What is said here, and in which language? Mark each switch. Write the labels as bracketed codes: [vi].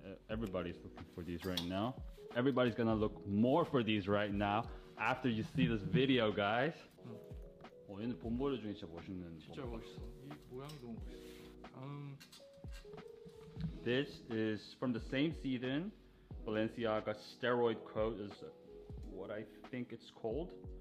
[en] Everybody's looking for these right now. Everybody's gonna look more for these right now after you see this video, guys. [ko] Oh, 얘는 봄벌레 중에 진짜 멋있는. 진짜 멋있어. 이 모양이 너무 멋있어. [en] This is from the same season. Balenciaga Steroid coat is what I think it's called.